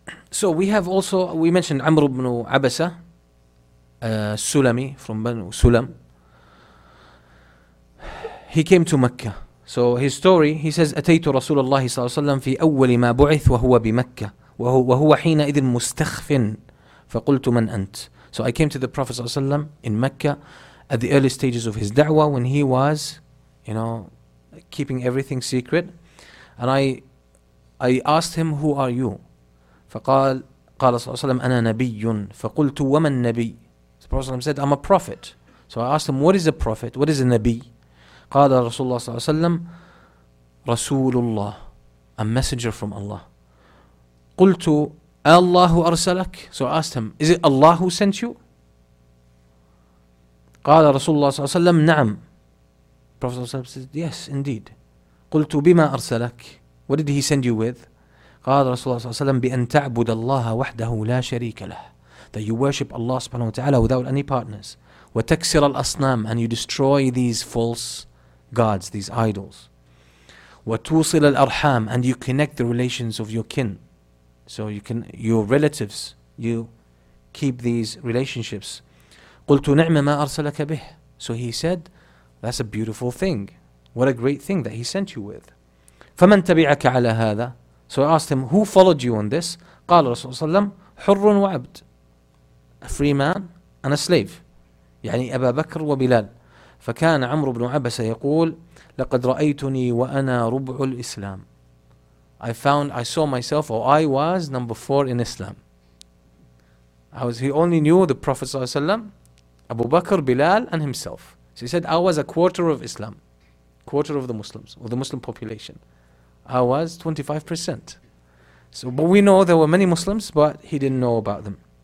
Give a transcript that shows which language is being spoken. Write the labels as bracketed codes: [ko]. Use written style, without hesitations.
[en] So we have also, we mentioned Amr ibn Abasa, Sulami from Banu Sulam. He came to Mecca. So his story, he says, [ar] أَتَيْتُ رَسُولَ اللَّهِ صَلَّى اللَّهُ عَلَيْهِ وَسَلَّمَ فِي أَوَّلِ مَا بُعِثْ وَهُوَ بِمَكَّةِ وَهُوَ حِينَ إِذٍ مُسْتَخْفٍ فَقُلْتُ مَنْ أَنْتَ. [en] So I came to the Prophet صلى الله عليه وسلم in Mecca at the early stages of his da'wah, when he was, you know, keeping everything secret. And I asked him, who are you? [ar] فقال قال صلى الله عليه وسلم أنا نبي فقلت ومن نبي. [en] The Prophet said, I'm a prophet. So I asked him, what is a prophet? What is a نبي? [ar] قال رسول الله صلى الله عليه وسلم رسول الله, [en] a messenger from Allah. [ar] قلت الله أرسلك. [en] So I asked him, is it Allah who sent you? [ar] قال رسول الله صلى الله عليه وسلم نعم. [en] The Prophet said, yes, indeed. [ar] قلت بما أرسلك. [en] What did he send you with? [ar] قال رسول الله صلى الله عليه وسلم بأن تعبد الله وحده لا شريك له. [en] That you worship Allah سبحانه وتعالى without any partners. [ar] وتكسر الأصنام, [en] and you destroy these false gods, these idols. [ar] وتوصل الأرحام, [en] and you connect the relations of your kin. So you can, your relatives, you keep these relationships. [ar] قلت نعم ما أرسلك به. [en] So he said, that's a beautiful thing. What a great thing that he sent you with. [ar] فمن تبعك على هذا. [en] So I asked him, who followed you on this? [ar] قال رسول الله صلى الله عليه وسلم حر وعبد. [en] A free man and a slave. [ar] يعني أبا بكر وبلال. فكان عمرو بن عبسة يقول لقد رأيتني وأنا ربع الإسلام. [en] I found, I saw myself, or I was number four in Islam. I was, he only knew the Prophet صلى الله عليه وسلم, أبو بكر, بلال, and himself. So he said, I was a quarter of Islam. Quarter of the Muslims, or the Muslim population. I was 25%. So, but we know there were many Muslims, but he didn't know about them.